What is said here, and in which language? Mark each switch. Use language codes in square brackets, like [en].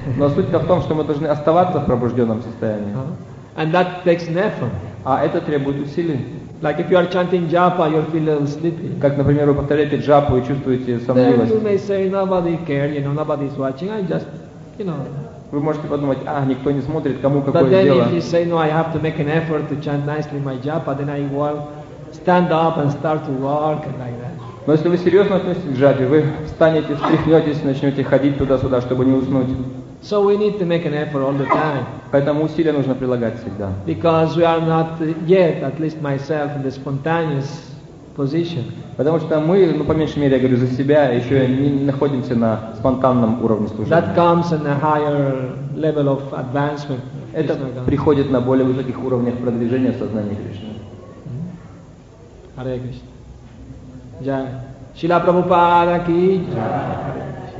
[ru] Но суть в том, что мы должны оставаться в пробужденном состоянии. [en] And that takes an effort. [ru] А это требует усилий. [en] Like if you are chanting japa, you feel a little sleepy. [ru] Как, например, вы повторяете джапу и чувствуете сонливость. [en] Then you may say nobody cares, you know, nobody is watching. I just, you know. [ru] Вы можете подумать, а, никто не смотрит, кому какое дело. [en] But then if you say, no, I have to make an effort to chant nicely my japa, then I will stand up and start to walk and like that. [ru] Но если вы серьезно относитесь к джапе, вы встанете, встряхнетесь, начнете ходить туда-сюда, чтобы не уснуть. [en] So we need to make an effort all the time. [ru] Поэтому усилия нужно прилагать всегда. [en] Because we are not yet, at least myself, in the spontaneous position. [ru] Потому что мы, ну по меньшей мере, я говорю за себя, еще не находимся на спонтанном уровне служения. [en] That comes in a higher level of advancement. [ru] Это приходит на более высоких уровнях продвижения сознания Кришны. Харе Кришна. Джай. Шрила Прабхупада ки джай.